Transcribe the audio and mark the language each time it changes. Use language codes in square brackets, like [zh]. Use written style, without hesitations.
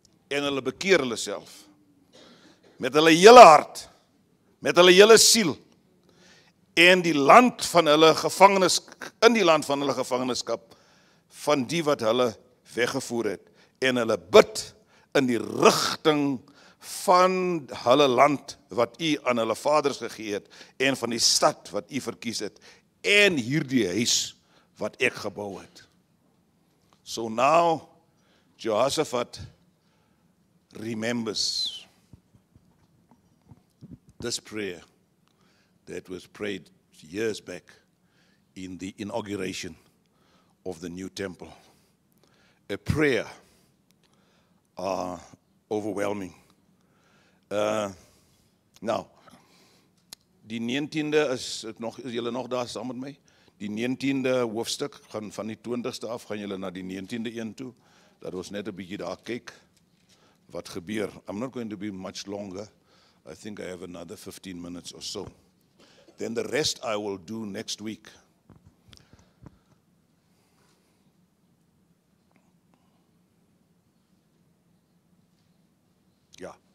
[af] En hulle bekeer hulle self met hulle hele hart, met hulle hele siel, en die land van hulle gevangenis, in die land van hulle gevangenskap, van die wat hulle weggevoer het, en hulle bid in die rigting van hulle land wat u aan hulle vaders gegee het, en van die stad wat u verkies het, en hierdie huis wat ek gebou het. [en] So now, Jehoshaphat remembers this prayer that was prayed years back in the inauguration of the new temple. A prayer overwhelming. [af] Nou, die 19de is het nog, is julle nog daar saam met my? Die 19de hoofstuk, gaan van die 20ste af, gaan julle na die 19de een toe, dat ons net 'n bietjie daar kyk wat gebeur. [en] I'm not going to be much longer. I think I have another 15 minutes or so. Then the rest I will do next week. Yeah.